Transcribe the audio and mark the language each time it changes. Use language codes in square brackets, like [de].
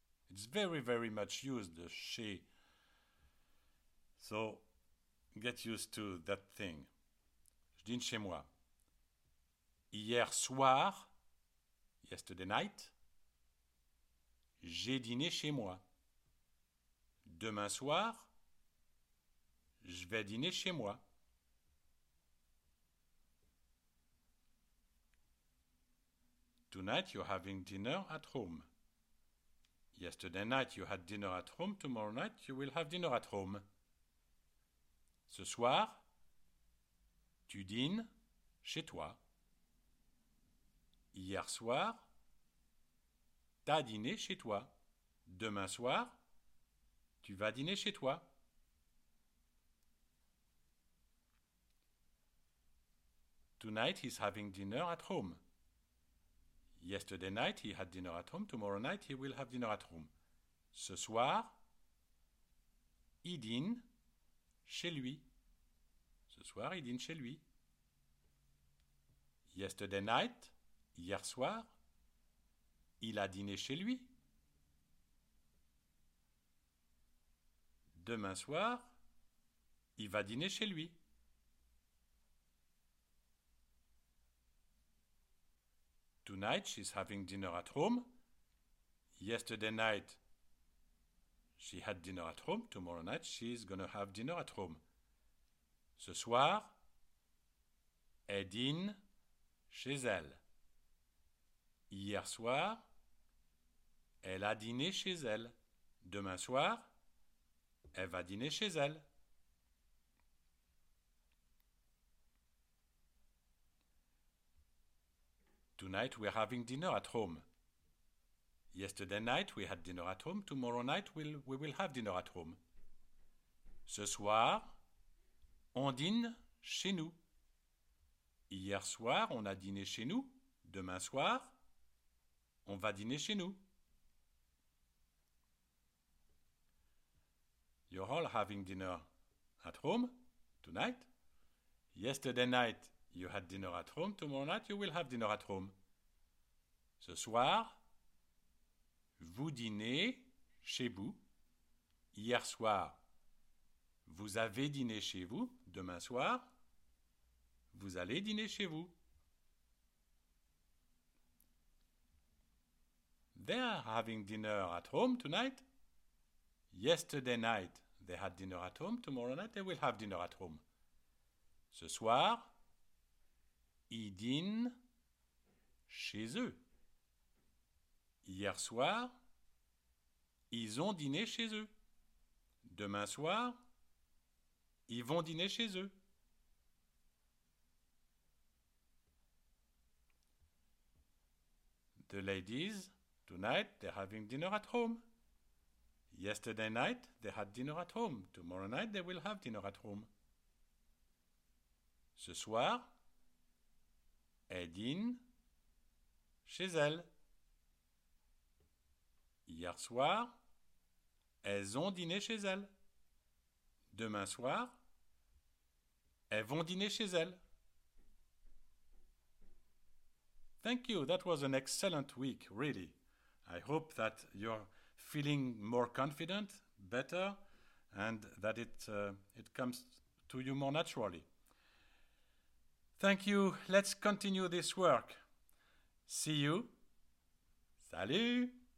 [en] It's very, very much used, the chez. So get used to that thing. [fr] Je dîne chez moi. Hier soir, [en] yesterday night, [fr] j'ai dîné chez moi. Demain soir, je vais dîner chez moi. [en] Tonight you're having dinner at home. Yesterday night you had dinner at home. Tomorrow night you will have dinner at home. [fr] Ce soir, tu dînes chez toi. Hier soir, t'as dîné chez toi. Demain soir, tu vas dîner chez toi. [en] Tonight he's having dinner at home. Yesterday night he had dinner at home. Tomorrow night he will have dinner at home. [fr] Ce soir, il dîne chez lui. Ce soir, il dîne chez lui. [en] Yesterday night, [fr] hier soir, il a dîné chez lui. Demain soir, il va dîner chez lui. [en] Tonight, she's having dinner at home. Yesterday night, she had dinner at home. Tomorrow night, she's gonna have dinner at home. [fr] Ce soir, elle dîne chez elle. Hier soir, elle a dîné chez elle. Demain soir, elle va dîner chez elle. [en] Tonight we're having dinner at home. Yesterday night we had dinner at home. Tomorrow night we will have dinner at home. [fr] Ce soir, on dîne chez nous. Hier soir, on a dîné chez nous. Demain soir, on va dîner chez nous. [en] You're all having dinner at home tonight. Yesterday night, you had dinner at home. Tomorrow night, you will have dinner at home. [fr] Ce soir, vous dînez chez vous. Hier soir, vous avez dîné chez vous. Demain soir, vous allez dîner chez vous. [en] They are having dinner at home tonight. Yesterday night, they had dinner at home. Tomorrow night, they will have dinner at home. [fr] Ce soir, ils dînent chez eux. Hier soir, ils ont dîné chez eux. Demain soir, ils vont dîner chez eux. [en] The ladies Tonight, they're having dinner at home. Yesterday night, they had dinner at home. Tomorrow night, they will have dinner at home. [fr] Ce soir, elle dîne chez elle. Hier soir, elles ont dîné chez elles. Demain soir, elles vont dîner chez elles. [en] Thank you. That was an excellent week, really. I hope that you're feeling more confident, better, and that it comes to you more naturally. Thank you. Let's continue this work. See you. [fr] Salut!